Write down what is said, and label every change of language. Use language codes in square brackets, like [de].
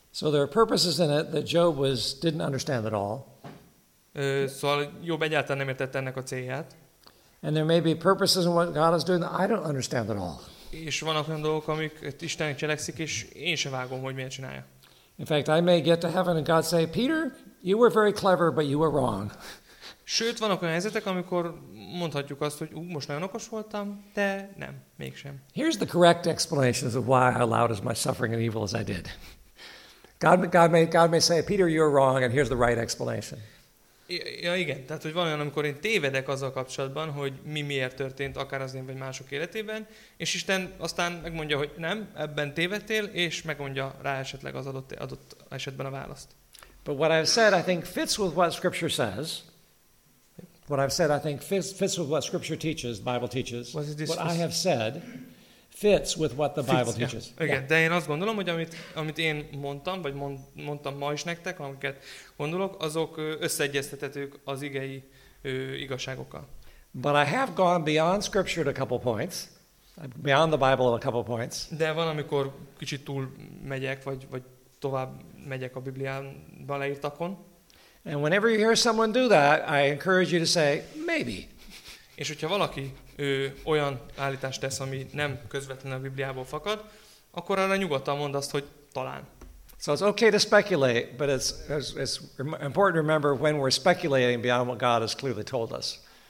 [en] So there are purposes in it that Job didn't understand at all. [hu] Szóval Jobb egyáltalán nem értette ennek a célját. [en] And there may be purposes in what God is doing that I don't understand at all. [hu] És vannak olyan dolgok, amik Isten cselekszik, és én sem vágom, hogy miért csinálja. [en] In fact, I may get to heaven and God say, Peter, you were very clever, but you were wrong. [hu] Sőt, vannak olyan helyzetek, amikor mondhatjuk azt, hogy most nagyon okos voltam, de nem, mégsem. [en] Here's the correct explanation of why I allowed as much suffering and evil as I did. God may say, Peter, you're wrong, and here's the right explanation. [hu] Ja, igen, tehát hogy van olyan, amikor én tévedek azzal kapcsolatban, hogy mi miért történt akár az én vagy mások életében, és Isten aztán megmondja, hogy nem, ebben tévedtél, és megmondja rá esetleg az adott esetben a választ. [en] But what I've said, I think, fits with what Scripture says. What I've said, I think, fits with what Scripture teaches, the Bible teaches. What I have said fits with what the Bible teaches. Yeah. [hu] Igen, de én azt gondolom, hogy amit én mondtam, vagy mondtam ma is nektek, amiket gondolok, azok összeegyeztethetők az igei igazságokkal. [en] But I have gone beyond Scripture at a couple points, beyond the Bible at a couple points. [hu] De van, amikor kicsit túl megyek, vagy tovább megyek a Bibliában leírtakon. [en] And whenever you hear someone do that, I encourage you to say, maybe. [hu] És hogyha valaki olyan állítást tesz, ami nem közvetlenül a Bibliából fakad, akkor arra nyugodtan mond azt, hogy talán. [en] So it's okay to speculate, but it's important to remember when we're speculating beyond what God has clearly told us.